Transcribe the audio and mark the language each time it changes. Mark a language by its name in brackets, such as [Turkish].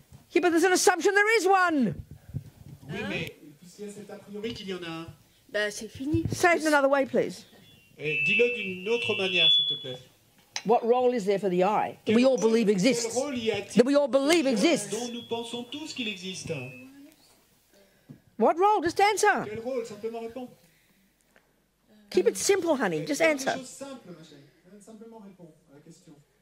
[English] Yeah, but there's an assumption there is one. [French] Oui, mais puisqu'il y a cet a priori qu'il y en a un. Ben, c'est fini. [English] Say it another way, please. [French] Dis-le d'une autre manière, s'il te plaît. [English] What role is there for the eye that we all believe exists? [French] Quel rôle y a-t-il [English] that we all believe exists? [French] Dont nous pensons tous qu'il existe. [English] What role? Just answer. [French] Quel rôle? Simplement répondre. [English] Keep it simple, honey. Just answer. [French] Simplement répondre à la question.